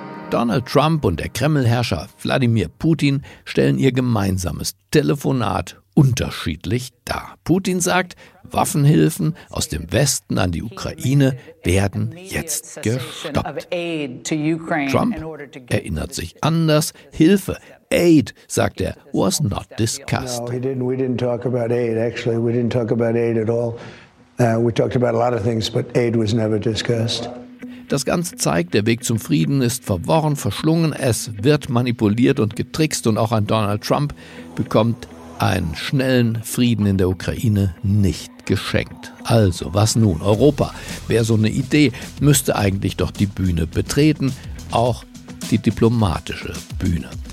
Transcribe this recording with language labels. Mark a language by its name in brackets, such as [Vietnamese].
[German] Donald Trump und der Kreml-Herrscher Wladimir Putin stellen ihr gemeinsames Telefonat unterschiedlich dar. Putin sagt, Waffenhilfen aus dem Westen an die Ukraine werden jetzt gestoppt. Trump erinnert sich anders. Hilfe, [English] Aid, [German] sagt er, [English] was not discussed. We didn't talk about aid, actually. We didn't talk about aid at all. We talked about a lot of things, but aid was never discussed. [German] Das Ganze zeigt, der Weg zum Frieden ist verworren, verschlungen, es wird manipuliert und getrickst und auch ein Donald Trump bekommt einen schnellen Frieden in der Ukraine nicht geschenkt. Also, was nun? Europa wäre so eine Idee, müsste eigentlich doch die Bühne betreten, auch die diplomatische Bühne.